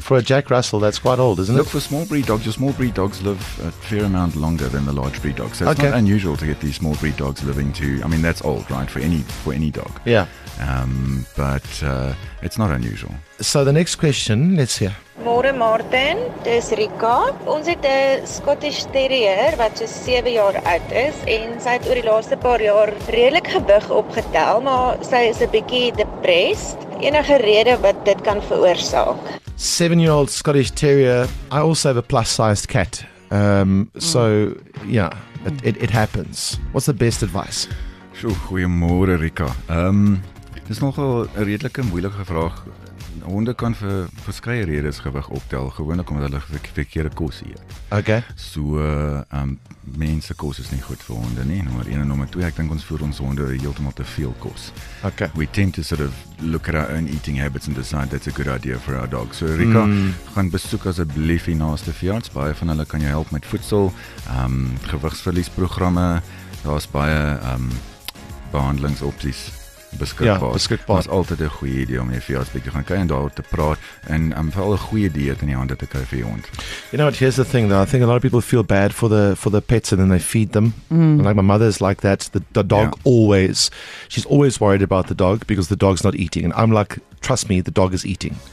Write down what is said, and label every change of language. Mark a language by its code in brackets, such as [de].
[en] For a Jack Russell, that's quite old, isn't it? Look, for small breed dogs, your small breed dogs live a fair amount longer than the large breed dogs. So it's not unusual to get these small breed dogs living to, I mean, that's old, right, for any dog. Yeah. But it's not unusual. So the next question, let's hear. [af] Môre Martin, dis Rika. Ons het 'n Scottish Terrier wat so 7 jaar oud is en sy het oor die laaste paar jaar redelik gewig opgetel, maar sy is 'n bietjie depressed. Enige rede wat dit kan veroorsaak? [en] 7-year-old Scottish Terrier. I also have a plus-sized cat. So yeah, it happens. What's the best advice? [af] Sjoe, goeiemôre Rika. Dis nogal 'n redelike moeilike vraag. Honde kan vir verskeie redes gewig optel, gewoonlik omdat hulle verkeerde kos eet. [en] Okay. [af] So, mense kos is nie goed vir honde nie, nommer 1 en nommer 2, ek dink ons voer ons honde heeltemal te veel kos. [en] Okay. We tend to sort of look at our own eating habits and decide that's a good idea for our dog. [af] So, Rika, gaan besoek asseblief die naaste veearts, baie van hulle kan jou help met voedsel, gewigsverliesprogramme, daar is baie behandelingsopties. Beskikbaar. Dit is altyd 'n goeie idee om jy vir jou bietjie gaan kyk en daaroor te praat en veral 'n goeie dieet in die hande te kry vir jou hond. [en] You know what, here's the thing though. I think a lot of people feel bad for the pets and then they feed them. Mm. Like my mother is like that. The dog always, she's always worried about the dog because the dog's not eating. And I'm like, trust me, the dog is eating.